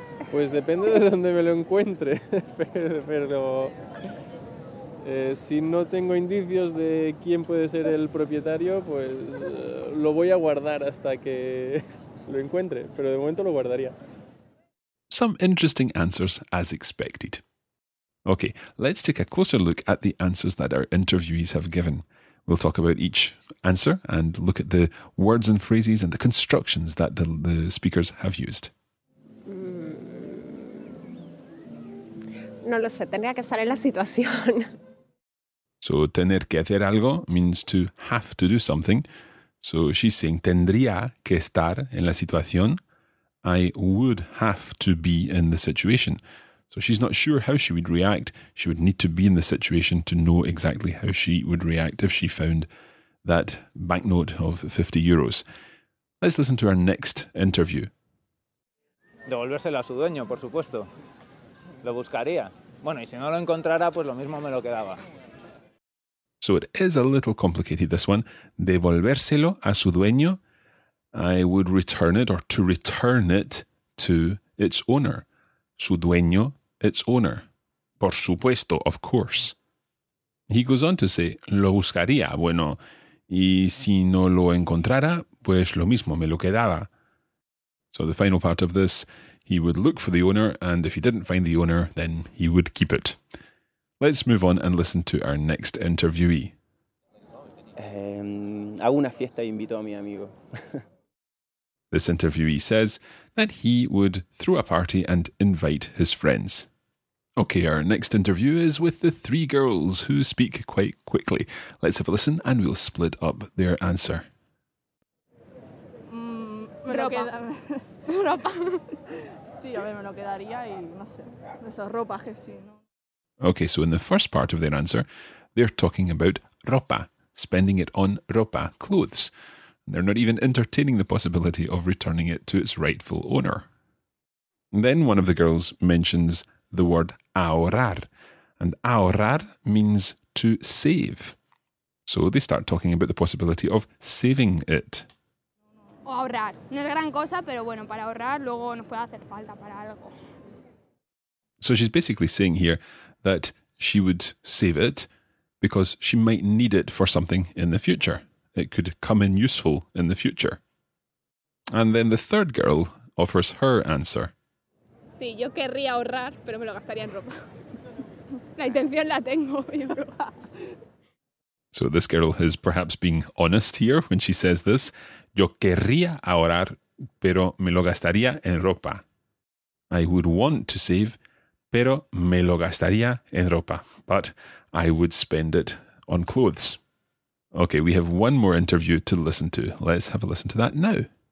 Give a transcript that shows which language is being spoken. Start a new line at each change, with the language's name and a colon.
Spanish: Pues depende de dónde me lo encuentre, pero... si no tengo indicios de quién puede ser el propietario, pues lo voy a guardar hasta que lo encuentre, pero de momento lo guardaría.
English: Some interesting answers as expected. Okay, let's take a closer look at the answers that our interviewees have given. We'll talk about each answer and look at the words and phrases and the constructions that the speakers have used.
Spanish: No lo sé, tendría que estar en la situación.
English: So,
Spanish: tener que hacer algo
English: means to have to do something. So, she's saying,
Spanish: tendría que estar en la situación.
English: I would have to be in the situation. So, she's not sure how she would react. She would need to be in the situation to know exactly how she would react if she found that banknote of 50 euros. Let's listen to our next interview.
Spanish: Devolvérselo a su dueño, por supuesto. Lo buscaría. Bueno, y si no lo encontrara, pues lo mismo me lo quedaba.
English: So it is a little complicated, this one.
Spanish: Devolvérselo a su dueño.
English: I would return it, or to return it to its owner.
Spanish: Su dueño,
English: its owner.
Spanish: Por supuesto,
English: of course. He goes on to say, lo buscaría, bueno, y si no lo encontrara, pues lo mismo me lo quedaba. So the final part of this, he would look for the owner, and if he didn't find the owner, then he would keep it. Let's move on and listen to our next interviewee.
Spanish: Hago una fiesta e invito a mi amigo.
English: This interviewee says that he would throw a party and invite his friends. Okay, our next interview is with the three girls who speak quite quickly. Let's have a listen and we'll split up their answer.
Spanish: Ropa. Ropa. Sí, a ver, me lo quedaría y no sé. Eso, ropa, jefe, sí, ¿no?
English: Okay, so in the first part of their answer, they're talking about ropa, spending it on ropa, clothes. They're not even entertaining the possibility of returning it to its rightful owner. Then one of the girls mentions the word ahorrar, and ahorrar means to save. So they start talking about the possibility of saving it.
Spanish: O ahorrar. No es gran cosa, pero bueno, para ahorrar luego nos puede hacer falta para algo.
English: So she's basically saying here that she would save it because she might need it for something in the future. It could come in useful in the future. And then the third girl offers her answer.
Spanish: Sí, yo querría ahorrar, pero me lo gastaría en ropa. La intención la tengo, yo creo.
English: So this girl is perhaps being honest here when she says this.
Spanish: Yo querría ahorrar, pero me lo gastaría en ropa.
English: I would want to save,
Spanish: pero me lo gastaría en ropa.
English: But I would spend it on clothes. Okay, we have one more interview to listen to. Let's have a listen to that now.